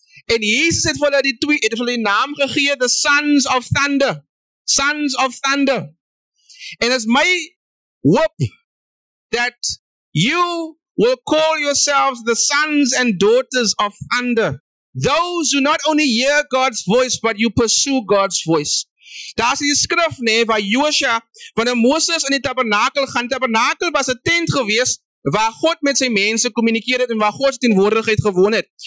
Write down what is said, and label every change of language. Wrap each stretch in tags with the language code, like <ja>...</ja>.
<af>En Jesus het vir hulle die naam gegee,</af> <en>the sons of thunder. Sons of thunder.</en> <af>En is my hoop</af> <en>that you will call yourselves the sons and daughters of thunder. Those who not only hear God's voice, but you pursue God's voice.</en> <af>Daar is die skrif, nee, waar Joshua, wanneer Moses in die tabernakel gaan, tabernakel was 'n tent gewees, waar God met sy mense kommunikeer het, en waar God sy teenwoordigheid gewoon het.</af>